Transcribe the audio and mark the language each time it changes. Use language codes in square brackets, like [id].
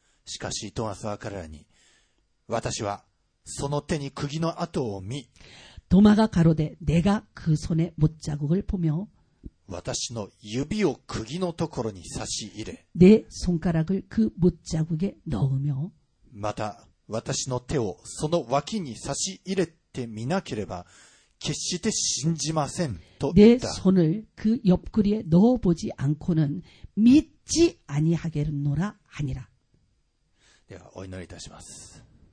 [ja] しかしトマスは彼らに私はその手に釘の跡を見 [ko] 도마가가로되내가그손의못자국을보며 [ja] 私の指を釘のところに差し入れ [ko] 내손가락을그못자국에넣으며 [ja] また私の手をその脇に差し入れてみなければ決して信じませんと言った。 [ko] 내손을그옆구리에넣어보지않고는믿지아니하겠노라하니라 [ja] ではお祈りいたします。